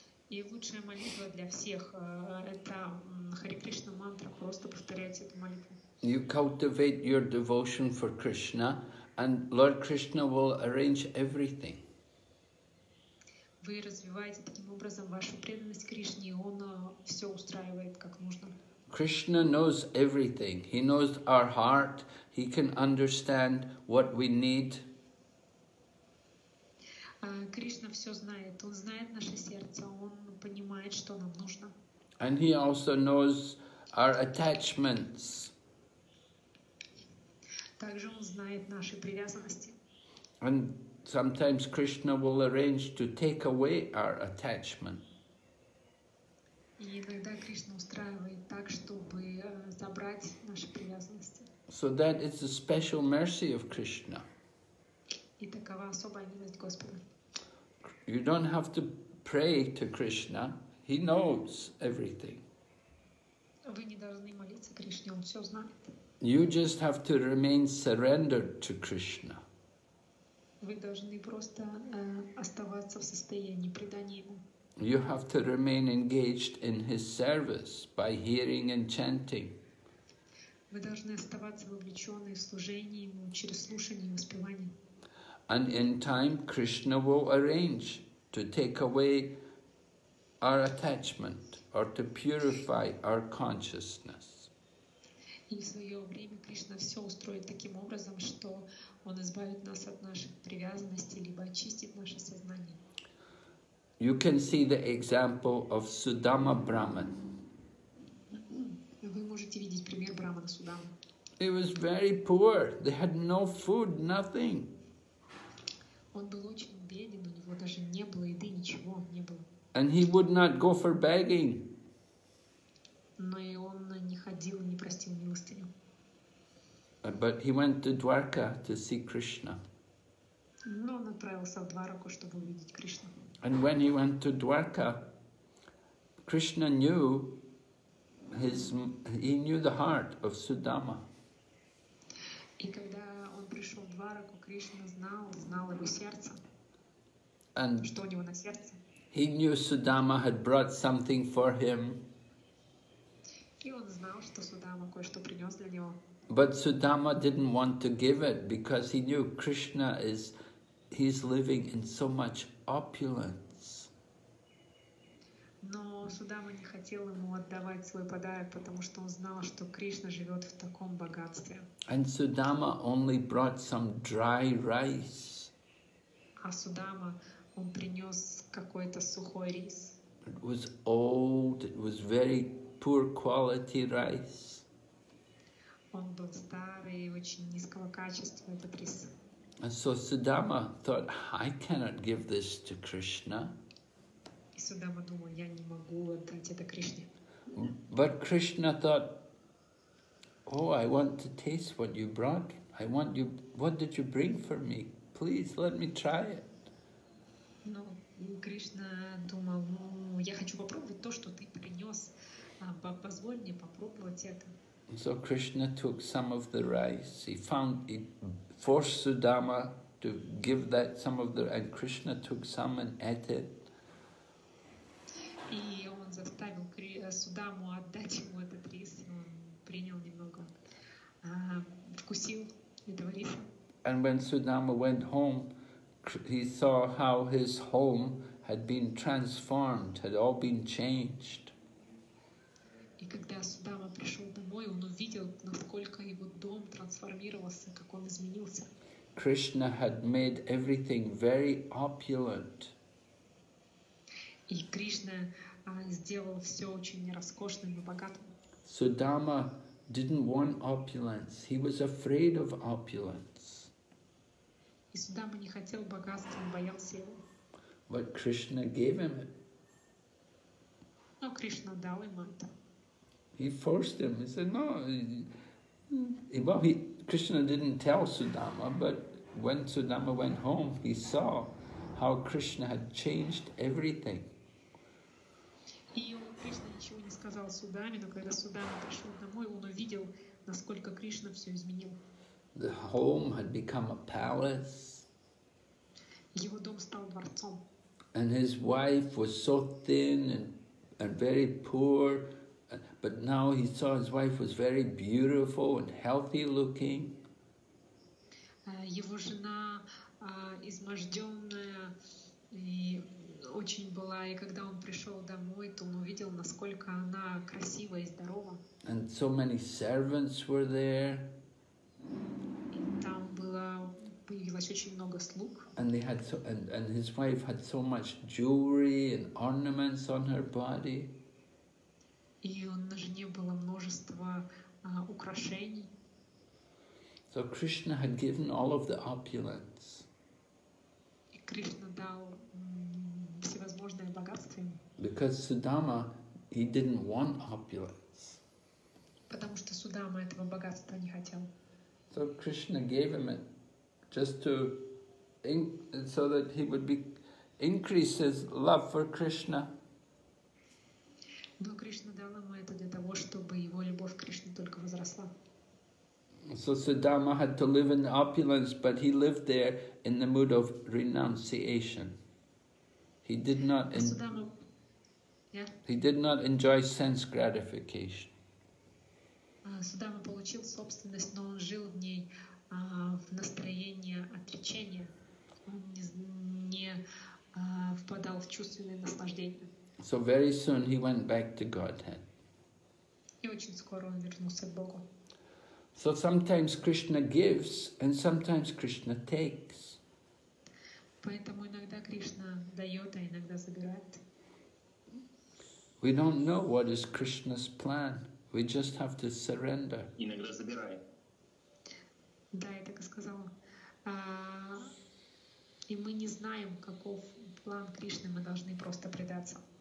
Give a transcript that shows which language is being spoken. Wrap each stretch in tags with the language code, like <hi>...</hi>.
<ru>И лучшая молитва для всех это Хари Кришна мантра, просто повторяйте эту молитву.</ru> <en>You cultivate your devotion for Krishna and Lord Krishna will arrange everything.</en> <ru>Вы развиваете таким образом вашу преданность Кришне, и он все устраивает как нужно.</ru> <en>Krishna knows everything. He knows our heart. He can understand what we need.</en> <ru>Кришна все знает. Он знает наше сердце. Он понимает, что нам нужно.</ru> <en>And he also knows our attachments.</en> <ru>Также он знает наши привязанности.</ru> <en>And sometimes Krishna will arrange to take away our attachment.</en> <ru>И иногда Кришна устраивает так, чтобы забрать наши привязанности.</ru> <en>So that is a special mercy of Krishna.</en> <ru>И такова особая милость Господа.</ru> <en>You don't have to pray to Krishna. He knows everything.</en> <ru>Вы не должны молиться Кришне, он все знает.</ru> <en>You just have to remain surrendered to Krishna.</en> <ru>Вы должны просто оставаться в состоянии предания ему.</ru> <en>You have to remain engaged in his service by hearing and chanting.</en> <ru>Вы должны оставаться вовлечённой в служение ему через слушание и воспевание.</ru> <en>And in time, Krishna will arrange to take away our attachment or to purify our consciousness.</en> <ru>И в своё время Кришна всё устроит таким образом, что он избавит нас от наших привязанностей либо очистит наше сознание.</ru> <en>You can see the example of Sudama Brahman.</en> <ru>Вы можете видеть пример Брамана Судамы.</ru> <en>He was very poor. They had no food, nothing.</en> <ru>Он был очень беден, у него даже не было еды, ничего не было.</ru> <en>And he would not go for begging.</en> <ru>Но и он не ходил, не просил милостыню.</ru> <en>But he went to Dwarka to see Krishna.</en> <ru>Но он отправился в Двараку, чтобы увидеть Кришну.</ru> <en>And when he went to Dwarka, Krishna knew his, he knew the heart of Sudama.</en> <ru>И когда он пришел в Двараку, Кришна знал его сердце.</ru> <en>And</en> <ru>что у него на сердце?</ru> <en>He knew Sudama had brought something for him.</en> <ru>И он знал, что Судама кое-что принес для него.</ru> <en>But Sudama didn't want to give it because he knew Krishna is, he's living in so much opulence.</en> <ru>Но Судама не хотел ему отдавать свой подарок, потому что он знал, что Кришна живет в таком богатстве.</ru> <en>And Sudama only brought some dry rice.</en> <ru>А Судама, он принес какой-то сухой рис.</ru> <en>It was old, it was very poor quality rice.</en> <ru>Он был старый, очень низкого качества этот рис.</ru> <en>And so Sudama thought, I cannot give this to Krishna.</en> <ru>И Судама думал, я не могу отдать это Кришне.</ru> <en>But Krishna thought, oh, I want to taste what you brought. I want you, what did you bring for me? Please let me try it.</en> <ru>Но Кришна думал, ну, я хочу попробовать то, что ты принес. Позволь мне попробовать это.</ru> <en>So Krishna took some of the rice. He found he forced Sudama to give that some of the rice, and Krishna took some and ate it.</en> <ru>И он заставил Судаму отдать ему этот рис, и он принял немного, вкусил этого риса.</ru> <en>And when Sudama went home, he saw how his home had been transformed, had all been changed.</en> <ru>И когда Судама пришел домой, он увидел, насколько его дом трансформировался, как он изменился.</ru> <en>Krishna had made everything very opulent.</en> <ru>И Кришна сделал все очень роскошным и богатым.</ru> <en>Sudama didn't want opulence. He was afraid of opulence.</en> <ru>И Судама не хотел богатства, он боялся его.</ru> <en>But Krishna gave him it.</en> <ru>Но Кришна дал ему это.</ru> <en>He forced him. He said, no. Well, he, Krishna didn't tell Sudama, but when Sudama went home, he saw how Krishna had changed everything.</en> <ru>И Кришна ничего не сказал Судаме, но когда Судама пришел домой, он увидел, насколько Кришна все изменил.</ru> <en>The home had become a palace.</en> <ru>Его дом стал дворцом.</ru> <en>And his wife was so thin and very poor. But now he saw his wife was very beautiful and healthy looking.</en> <ru>Его жена измождённая и очень была, и когда он пришёл домой, то он увидел, насколько она красива и здорова.</ru> <en>And so many servants were there.</en> <ru>И там было, появилось очень много слуг.</ru> <en>And they had so, and his wife had so much jewelry and ornaments on her body.</en> <ru>И на жене было множество украшений.</ru> <en>So Krishna had given all of the opulence.</en> <ru>И Кришна дал всевозможное богатство ему.</ru> <en>Because Sudama, he didn't want opulence.</en> <ru>Потому что Судама этого богатства не хотел.</ru> <en>So Krishna gave him it just to so that he would be increase his love for Krishna.</en> <ru>Но Кришна дал ему это для того, чтобы его любовь к Кришне только возросла.</ru> <en>So Sudama had to live in opulence, but he lived there in the mood of renunciation. He did not Sudama, yeah. He did not enjoy sense gratification.</en> <ru>Судама получил собственность, но он жил в ней в настроении отречения. Он не впадал в чувственное наслаждение. So very soon he went back to Godhead. И очень скоро он вернулся к Богу. So sometimes Krishna gives and sometimes Krishna takes. Поэтому иногда Кришна дает, а иногда забирает.</ru> <en>We don't know what is Krishna's plan. We just have to surrender.</en> <ru>Иногда забирай. Да, я так и сказала. И мы не знаем, каков план Кришны, мы должны просто предаться.</ru>